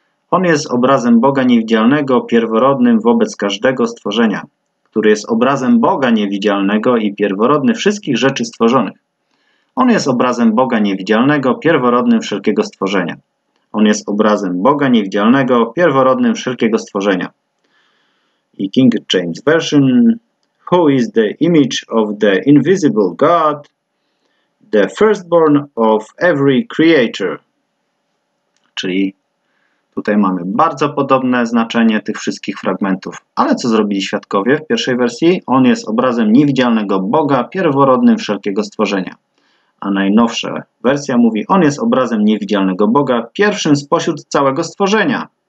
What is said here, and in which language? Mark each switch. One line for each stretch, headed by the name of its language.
Polish: On jest obrazem Boga niewidzialnego, pierworodnym wobec każdego stworzenia, który jest obrazem Boga niewidzialnego i pierworodny wszystkich rzeczy stworzonych. On jest obrazem Boga niewidzialnego, pierworodnym wszelkiego stworzenia. On jest obrazem Boga niewidzialnego, pierworodnym wszelkiego stworzenia.
English: I King James Version. Who is the image of the invisible God, the firstborn of every creature.
Polish: Czyli tutaj mamy bardzo podobne znaczenie tych wszystkich fragmentów. Ale co zrobili świadkowie w pierwszej wersji? On jest obrazem niewidzialnego Boga, pierworodnym wszelkiego stworzenia. A najnowsza wersja mówi, on jest obrazem niewidzialnego Boga, pierwszym spośród całego stworzenia.